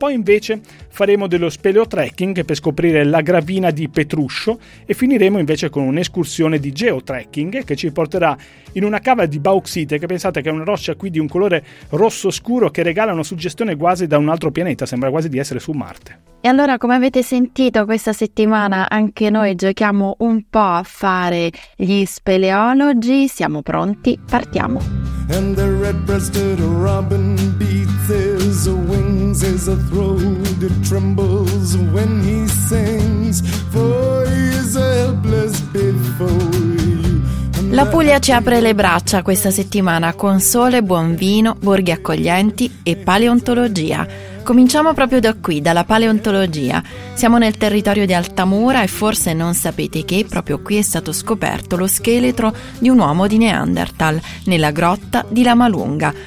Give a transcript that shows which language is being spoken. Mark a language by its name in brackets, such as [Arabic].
[Italian] Poi invece faremo dello speleo trekking per scoprire la gravina di Petruscio e finiremo invece con un'escursione di geotrekking che ci porterà in una cava di bauxite che pensate che è una roccia qui di un colore rosso scuro che regala una suggestione quasi da un altro pianeta, sembra quasi di essere su Marte. E allora, come avete sentito, questa settimana anche noi giochiamo un po' a fare gli speleologi. Siamo pronti? Partiamo! [English] And the red-breasted robin beats his wings, his throat trembles when he sings, for he is helpless before. [Italian] La Puglia ci apre le braccia questa settimana con sole, buon vino, borghi accoglienti e paleontologia. Cominciamo proprio da qui, dalla paleontologia. Siamo nel territorio di Altamura e forse non sapete che proprio qui è stato scoperto lo scheletro di un uomo di Neanderthal, nella grotta di Lama Lunga.